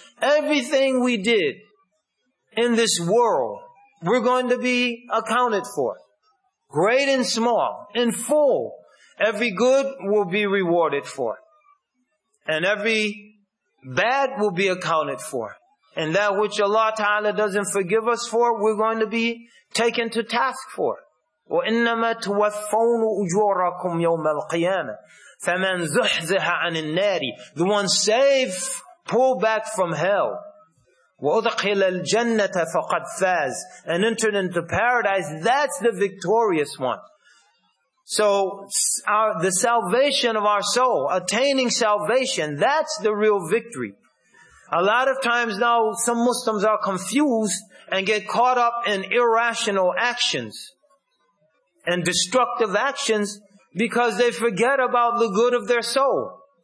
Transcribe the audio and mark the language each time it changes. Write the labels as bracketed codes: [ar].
[en] Everything we did in this world, we're going to be accounted for. Great and small, in full. Every good will be rewarded for. And every bad will be accounted for. And that which Allah Ta'ala doesn't forgive us for, we're going to be taken to task for. [ar] وَإِنَّمَا تُوَفَّوْنُ أُجُورَكُمْ يَوْمَ الْقِيَامَةِ فَمَنْ زُحْزِحَ عَنِ النَّارِ [en] The one saved, pulled back from hell. [ar] وَأُدْخِلَ الْجَنَّةَ فَقَدْ فَازَ [en] And entered into paradise, that's the victorious one. So the salvation of our soul, attaining salvation, that's the real victory. A lot of times now some Muslims are confused and get caught up in irrational actions and destructive actions because they forget about the good of their soul.